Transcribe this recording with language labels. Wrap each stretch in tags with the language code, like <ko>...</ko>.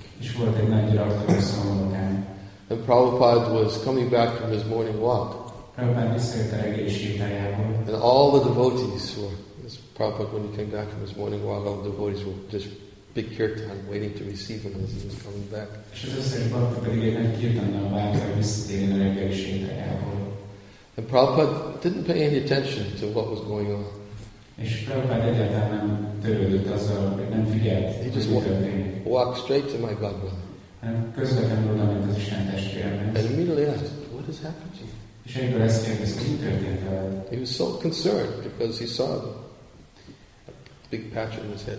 <hu>És volt egy nagy rajta a szomorúkán.</hu> <en>And Prabhupada was coming back from his morning walk.</en> <hu>Prabhupada visszajött a reggeli sétájából.</hu> <en>And all the devotees were. Prabhupada, when he came back from his morning walk, all the devotees were just big kirtan, waiting to receive him as he was coming back.</en> <hu>És az összes bhakta pedig egy nagy kirtannal várta, hogy visszatérjen a reggeli sétájából.</hu> <en>And Prabhupada didn't pay any attention to what was going on. He just walked straight to my godmother. And immediately asked, what has happened to you? He was so concerned because he saw the big patch on his head.</en>